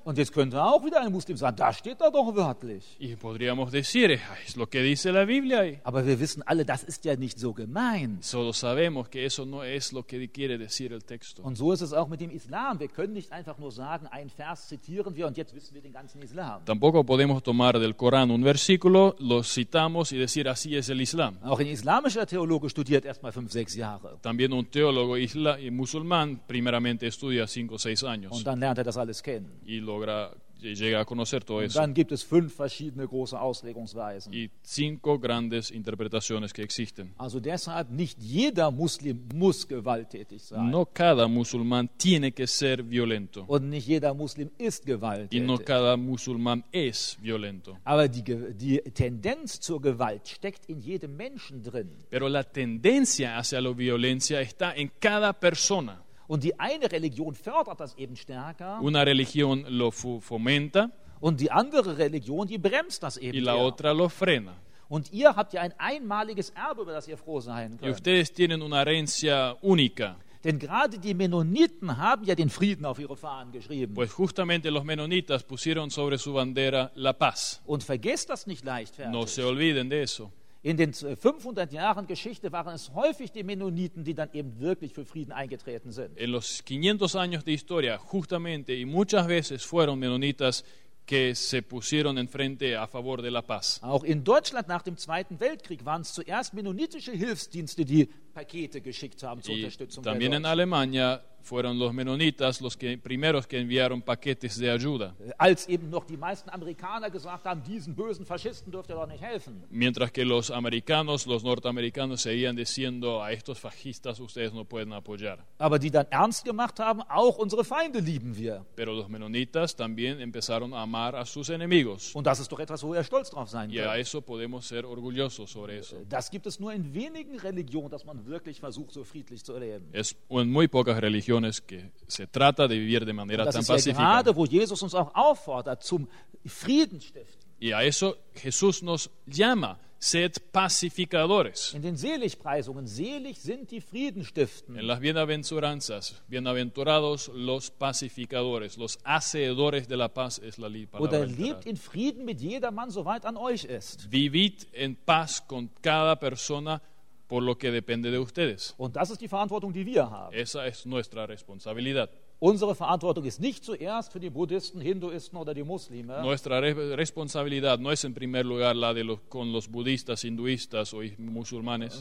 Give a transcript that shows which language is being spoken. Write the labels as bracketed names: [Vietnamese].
[German] Und jetzt könnte auch wieder ein Muslim sagen, da steht da doch wörtlich. [Spanish] Y podríamos decir, es lo que dice la Biblia. [German] Aber wir wissen alle, das ist ja nicht so gemein. [Spanish] Solo sabemos que eso no es lo que quiere decir el texto. [German] Und so ist es auch mit dem Islam. Wir können nicht einfach nur sagen, ein Vers zitieren wir und jetzt wissen wir den ganzen Islam. [Spanish] Tampoco podemos tomar del Corán un versículo, lo citamos y decir así es el Islam. [German] Auch ein islamischer Theologe studiert erstmal 5-6 Jahre. [Spanish] También un teólogo musulmán primeramente estudia 5-6 años. [German] Und dann lernt er das alles kennen. [Spanish] Y logra llega a conocer todo [German] Und [Spanish] eso. [German] Dann gibt es 5 verschiedene große Auslegungsweisen. [Spanish] Y 5 grandes interpretaciones que existen. [German] Also deshalb nicht jeder Muslim muss gewalttätig sein. [Spanish] No cada musulmán tiene que ser violento. [German] Und nicht jeder Muslim ist gewalttätig. [Spanish] Y no cada musulmán es violento. [German] Aber die Tendenz zur Gewalt steckt in jedem Menschen drin. [Spanish] Pero la tendencia hacia la violencia está en cada persona. [German] Und die eine Religion fördert das eben stärker. [Spanish] Una religión lo fomenta. [German] Und die andere Religion, die bremst das eben. [Spanish] Y la otra lo frena. [German] Und ihr habt ja ein einmaliges Erbe, über das ihr froh sein könnt. [Spanish] Y ustedes tienen una herencia única. [German] Denn gerade die Mennoniten haben ja den Frieden auf ihre Fahnen geschrieben. [Spanish] Pues justamente los menonitas pusieron sobre su bandera la paz. [German] Und vergesst das nicht leichtfertig. [Spanish] No se olviden de eso. [German] In den 500 Jahren Geschichte waren es häufig die Mennoniten, die dann eben wirklich für Frieden eingetreten sind. [Spanish] En los 500 años de historia, justamente y muchas veces fueron menonitas que se pusieron enfrente a favor de la paz. [German] Auch in Deutschland nach dem Zweiten Weltkrieg waren es zuerst mennonitische Hilfsdienste, die Pakete geschickt haben zur Unterstützung. [Spanish] También en Alemania fueron los menonitas los que primeros que enviaron paquetes de ayuda. [German] Als eben noch die meisten Amerikaner gesagt haben, diesen bösen Faschisten dürft ihr doch nicht helfen. [Spanish] Mientras que los norteamericanos seguían diciendo a estos fascistas ustedes no pueden apoyar. [German] Aber die dann ernst gemacht haben, auch unsere Feinde lieben wir. [Spanish] Pero los menonitas también empezaron a amar a sus enemigos. [German] Und das ist doch etwas, wo wir stolz drauf sein können. [Spanish] Y a eso podemos ser orgullosos sobre eso. [German] Das gibt es nur in wenigen Religionen, dass man wirklich versucht, so friedlich zu leben. [Spanish] Es en muy pocas religiones que se trata de vivir de manera tan pacífica. [German] Das ist ja gerade, wo Jesus uns auch auffordert, zum Frieden stiften. [Spanish] Y a eso Jesús nos llama, sed pacificadores. [German] In den Seligpreisungen, selig sind die Friedenstiften. [Spanish] En las bienaventuranzas, bienaventurados los pacificadores, los hacedores de la paz es la palabra literal. [German] Oder lebt in Frieden mit jedermann, soweit an euch ist. [Spanish] Vivid en paz con cada persona por lo que depende de ustedes. [German] Und das ist die Verantwortung, die wir haben. [Spanish] Esa es nuestra responsabilidad. [German] Unsere Verantwortung ist nicht zuerst für die Buddhisten, Hinduisten oder die Muslime. [Spanish] Nuestra responsabilidad no es en primer lugar la de los con los budistas, hinduistas o musulmanes,